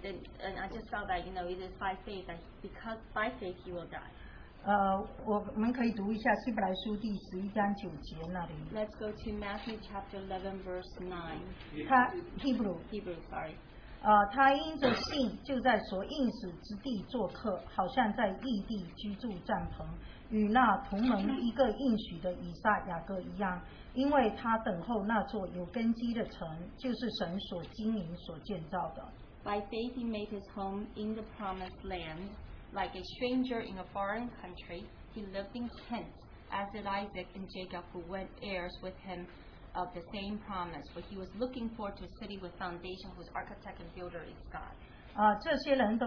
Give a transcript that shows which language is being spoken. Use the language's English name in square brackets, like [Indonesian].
[English] then, and I just felt that, you know, it is by faith that because by faith he will die. [Chinese] 我们可以读一下希伯来书第十一章九节那里。 [English] Let's go to Matthew chapter 11 verse 9. [Chinese] 他 Hebrew. [English] Hebrew, sorry. [Chinese] 他因着信就在所应许之地做客，好像在异地居住帐篷，与那同盟一个应许的以撒、雅各一样，因为他等候那座有根基的城，就是神所经营、所建造的。 [English] By faith he made his home in the promised land. Like a stranger in a foreign country, he lived in tents, as did Isaac and Jacob, who went heirs with him of the same promise. But he was looking forward to a city with foundation whose architect and builder is God.